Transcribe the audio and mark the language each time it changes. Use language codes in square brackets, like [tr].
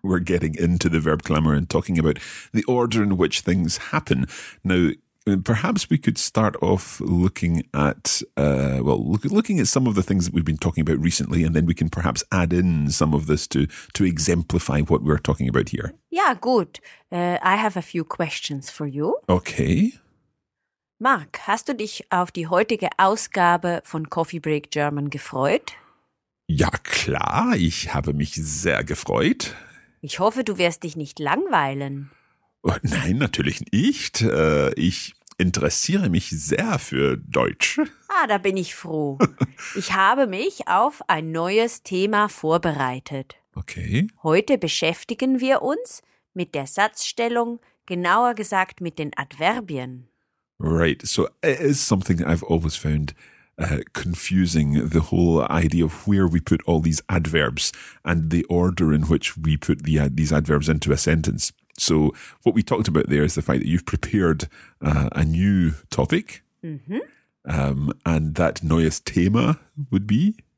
[en] We're getting into the verb klammer and talking about the order in which things happen. Now, perhaps we could start off looking at, looking at some of the things that we've been talking about recently, and then we can perhaps add in some of this to exemplify what we're talking about here. Yeah, good. I have a few questions for you. Okay. [de] Marc, hast du dich auf die heutige Ausgabe von Coffee Break German gefreut? Ja, klar, ich habe mich sehr gefreut. Ich hoffe, du wirst dich nicht langweilen. Oh, nein, natürlich nicht. Ich interessiere mich sehr für Deutsch. Ah, da bin ich froh. Ich habe mich auf ein neues Thema vorbereitet. Okay. Heute beschäftigen wir uns mit der Satzstellung, genauer gesagt mit den Adverbien. [en] Right, so it is something I've always found confusing, the whole idea of where we put all these adverbs and the order in which we put these adverbs into a sentence. So what we talked about there is the fact that you've prepared a new topic, and that [de] neues Thema [en] would be?